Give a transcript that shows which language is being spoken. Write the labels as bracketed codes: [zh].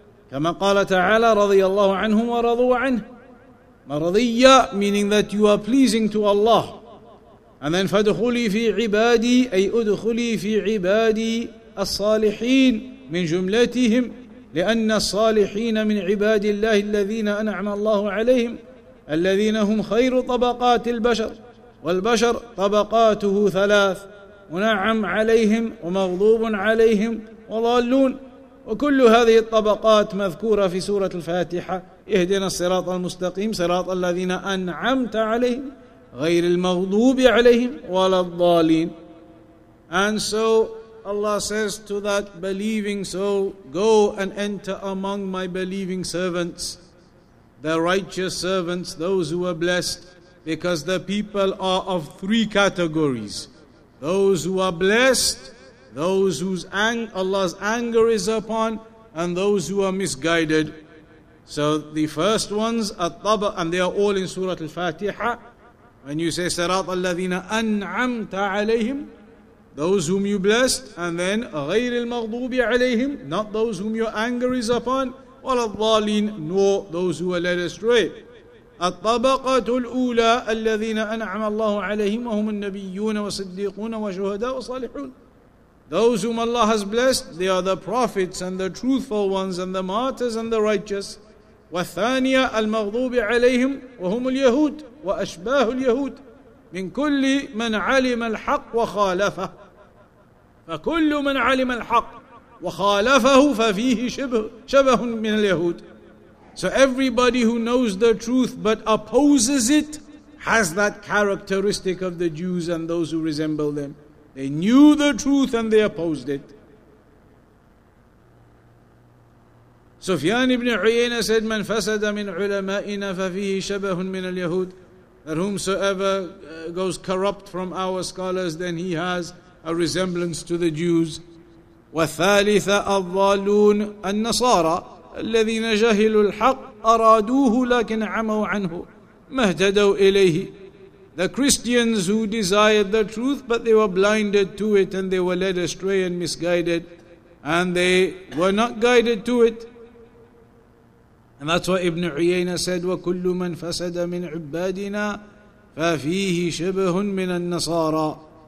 [ar] كما قال تعالى رضي الله عنهم ورضوا عنه. [en] مرضية meaning that you are pleasing to Allah. And then [ar] فدخلي في عبادي أي أدخلي في عبادي الصالحين من جملتهم, لأن الصالحين من عباد الله الذين أنعم الله عليهم الذين هم خير طبقات البشر, والبشر طبقاته ثلاث, منعم عليهم ومغضوب عليهم وضالون. وكل هذه الطبقات مذكورة في سورة الفاتحة. اهدنا الصراط المستقيم صراط الذين أنعمت عليهم غير المغضوب عليهم ولا الضالين. [en] And so Allah says to that believing soul, go and enter among my believing servants, the righteous servants, those who are blessed, because the people are of three categories: those who are blessed, those whose Allah's anger is upon, and those who are misguided. So the first ones, At-Taba, and they are all in Surah Al-Fatiha. When you say Sirat al-Ladina an'amta alayhim, those whom you blessed, and then [ar] غير المغضوب عليهم, [en] not those whom your anger is upon, [ar] ولا الضالين, [en] nor those who are led astray. [ar] الطبقة الأولى الذين أنعم الله عليهم وهم النبيون والصديقون وشهداء وصالحون. [en] Those whom Allah has blessed, they are the prophets and the truthful ones and the martyrs and the righteous. [ar] والثانية المغضوب عليهم وهم اليهود وأشباه اليهود من كل من علم الحق وخالفه. فكل من علم الحق وخالفه ففيه شبه من اليهود. [en] So everybody who knows the truth but opposes it has that characteristic of the Jews and those who resemble them. They knew the truth and they opposed it. Sufyan ibn Uyayna said, [ar] من فسد من علمائنا ففيه شبه من اليهود. [en] That whomsoever goes corrupt from our scholars, then he has a resemblance to the Jews. [ar] والثالثة الضالون النصارى الذين جهلوا الحق أرادوه لكن عموا عنه ما اهتدوا إليه. [en] The Christians who desired the truth, but they were blinded to it and they were led astray and misguided, and they were not guided to it. And that's what Ibn Uyayna said, [ar] وَكُلُّ مَنْ فَسَدَ مِنْ عُبَّادِنَا فَفِيهِ شَبْهٌ مِنَ النَّصَارَى.